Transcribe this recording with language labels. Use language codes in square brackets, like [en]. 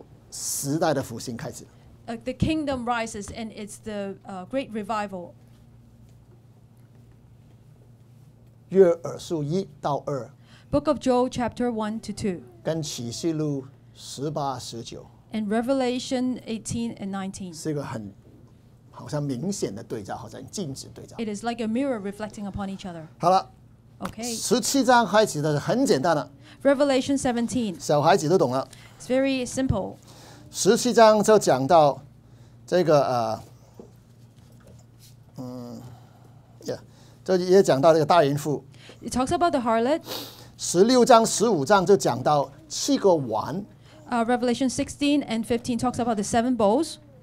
[zh] 国度的兴起就时代的复兴开始。 [en] The kingdom rises, and it's the great revival. [zh] 约珥书一到二 [en] Book of Joel chapter 1 to 2 [zh] 跟启示录18、19 [en] and Revelation 18 and 19 [zh] 是一个很好像明显的对照，好像镜子对照。 [en] It is like a mirror reflecting upon each other. [zh] 好了 [en] Okay [zh] 17章开始的很简单的 [en] Revelation 17 [zh] 小孩子都懂了。 [en] It's very simple. [zh] 17章就讲到这个 就也讲到这个大淫妇。 [en] It talks about the harlot. [zh] 16章、15章就讲到七个碗。 [en] Revelation 16 and 15 talks about the seven bowls.